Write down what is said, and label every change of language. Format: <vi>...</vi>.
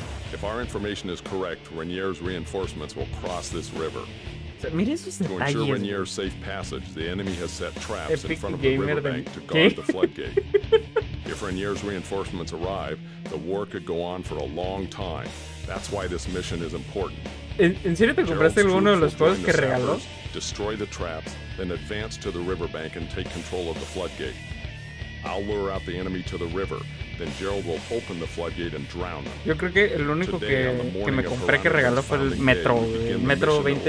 <en>If our information is correct, Rainier's reinforcements will cross this river. To ensure Rainier's safe passage, the enemy has set traps in front of the riverbank to guard the floodgate. If Rainier's reinforcements arrive, the war could go on for a long time. That's why this mission is important.</en> <es>¿En serio te compraste alguno de los juegos que regaló?</es> <en>Destroy the traps, then advance to the riverbank and take control of the floodgate. I'll lure out the enemy to the river, then Gerald will open the floodgate and drown them.</en> <es>Yo creo que el único que me compré que regaló fue el Metro, Metro</es>